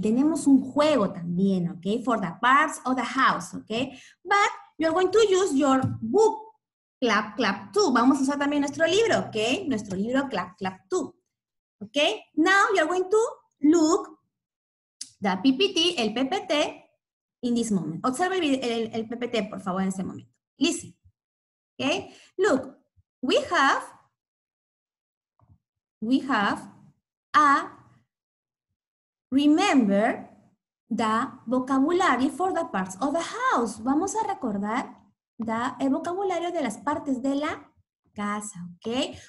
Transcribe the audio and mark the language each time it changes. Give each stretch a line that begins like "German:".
Spanish: Tenemos un juego también,
English: okay, for the parts of the house, okay? But you're going to use your book, clap, clap, too.
Spanish: Vamos a usar también nuestro libro, okay? Nuestro libro,
English: clap, clap, too. Okay, now you're going to look the PPT, el PPT, in this moment.
Spanish: Observe el PPT, por favor, en este momento.
English: Listen. Okay, look, we have a remember the vocabulary for the parts of the house.
Spanish: Vamos a recordar el vocabulario de las partes de la casa, okay?